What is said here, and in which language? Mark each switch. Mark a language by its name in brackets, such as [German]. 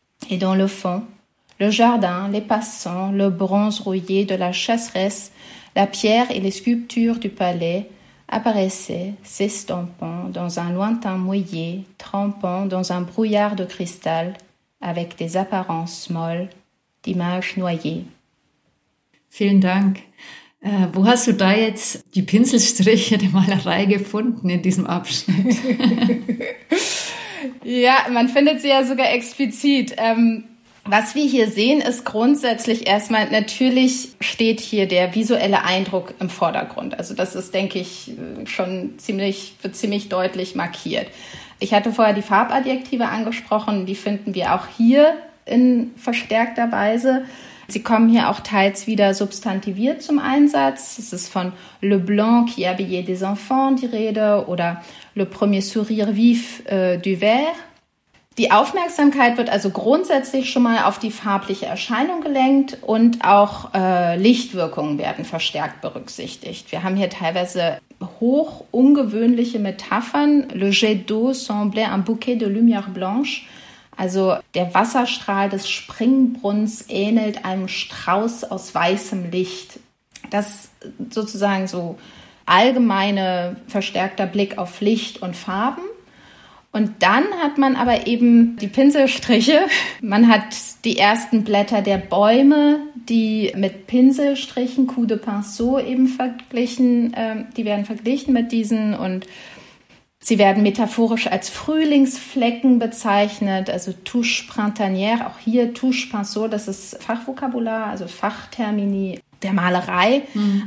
[French] Et dans le fond, le jardin, les passants, le bronze rouillé de la chasseresse, la pierre et les sculptures du palais apparaissaient, s'estompant dans un lointain mouillé, trempant dans un brouillard de cristal avec des apparences molles d'images noyées. [German] Vielen Dank. Wo hast du da jetzt die Pinselstriche der Malerei gefunden in diesem Abschnitt? Ja, man findet sie ja sogar explizit. Was wir hier sehen, ist grundsätzlich erstmal, natürlich steht hier der visuelle Eindruck im Vordergrund. Also das ist, denke ich, schon ziemlich, wird ziemlich deutlich markiert. Ich hatte vorher die Farbadjektive angesprochen, die finden wir auch hier in verstärkter Weise. Sie kommen hier auch teils wieder substantiviert zum Einsatz. Es ist von [French] Le Blanc qui habillait des enfants [German] die Rede oder [French] Le premier sourire vif du verre. [German] Die Aufmerksamkeit wird also grundsätzlich schon mal auf die farbliche Erscheinung gelenkt und auch Lichtwirkungen werden verstärkt berücksichtigt. Wir haben hier teilweise hoch ungewöhnliche Metaphern. [French] Le jet d'eau semblait un bouquet de lumière blanche. [German] Also der Wasserstrahl des Springbrunnens ähnelt einem Strauß aus weißem Licht. Das sozusagen so allgemeine verstärkter Blick auf Licht und Farben. Und dann hat man aber eben die Pinselstriche. Man hat die ersten Blätter der Bäume, die mit Pinselstrichen, [French] coups de pinceau [German] eben verglichen, die werden verglichen mit diesen und sie werden metaphorisch als Frühlingsflecken bezeichnet, also [French] touche printanière, [German] auch hier touche pinceau, das ist Fachvokabular, also Fachtermini der Malerei. Mhm.